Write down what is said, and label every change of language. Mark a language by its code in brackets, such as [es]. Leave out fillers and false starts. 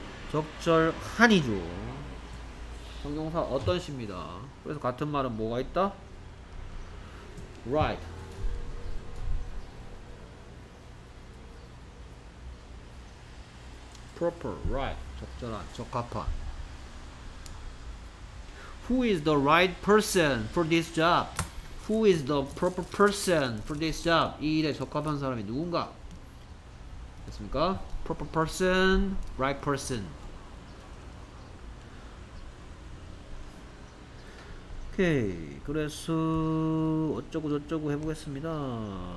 [ko] 적절한이죠 형용사 어떤 시입니다 그래서 같은 말은 뭐가 있다? [en] right 적절한, 적합한 who is the right person for this job? Who is the proper person for this job? [ko] 이 일에 적합한 사람이 누군가? [en] 됐습니까? Proper person, right person. [ko] 오케이. 그래서 어쩌고 저쩌고 해보겠습니다.